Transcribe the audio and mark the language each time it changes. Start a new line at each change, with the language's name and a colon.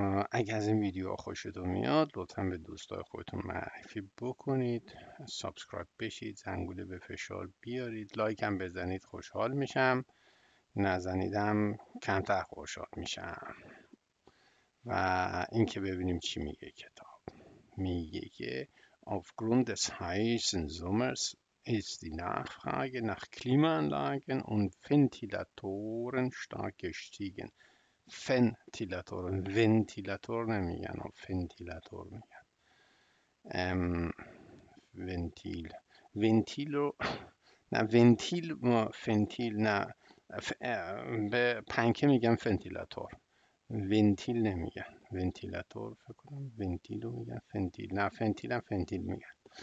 Persian: اگر از این ویدیو خوشتون میاد لطفا به دوستای خودتون معرفی بکنید، سابسکرایب بشید، زنگوله به فشار بیارید، لایک هم بزنید خوشحال میشم، نزنیدم کمتر خوشحال میشم. و اینکه ببینیم چی میگه کتاب. میگه که
German: aufgrund des heißen Sommers ist die Nachfrage nach Klimaanlagen und Ventilatoren stark gestiegen.
Persian: فنتیلاتورن، ونتیلاتور نمیگن، فنتیلاتور میگن. ونتیل، ونتیل رو نه ونتیل ما فنتیل نه به پنکه میگن فنتیلاتور، ونتیل نمیگن، ونتیلاتور فکر کنم ونتیل رو میگن، فنتیل نه فنتیل هم فنتیل میگن.